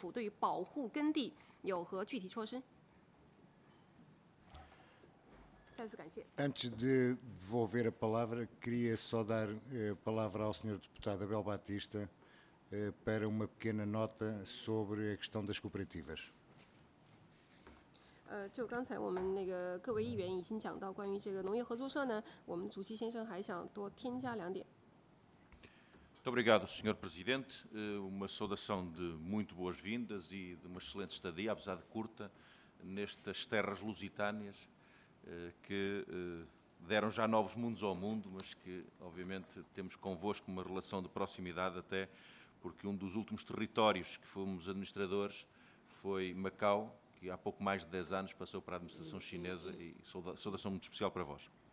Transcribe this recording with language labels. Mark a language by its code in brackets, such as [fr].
[zh] 最后一个问题呢，是刚才咱们的那个代表团的团长已经谈到过的，就是现在呢，咱们这个中国所有的这个人口和可耕地的这个面积非常的不平衡。但是呢，由于现在那个中国这个工业发展、工业和城市的发展呢，我想了解一下中国中央政府和各地方政府对于保护耕地有何具体措施？感谢。 [pt] Antes de devolver a palavra, queria só dar a palavra ao Sr. Deputado Abel Batista para uma pequena nota sobre a questão das cooperativas. [zh] 就刚才我们那个各位议员已经讲到关于这个农业合作社呢，我们主席先生还想多添加两点。 [pt] Muito obrigado, Sr. Presidente. Uma saudação de muito boas-vindas e de uma excelente estadia, apesar de curta, nestas terras lusitâneas, que deram já novos mundos ao mundo, mas que, obviamente, temos convosco uma relação de proximidade, até porque um dos últimos territórios que fomos administradores foi Macau, que há pouco mais de 10 anos passou para a administração chinesa, e saudação muito especial para vós.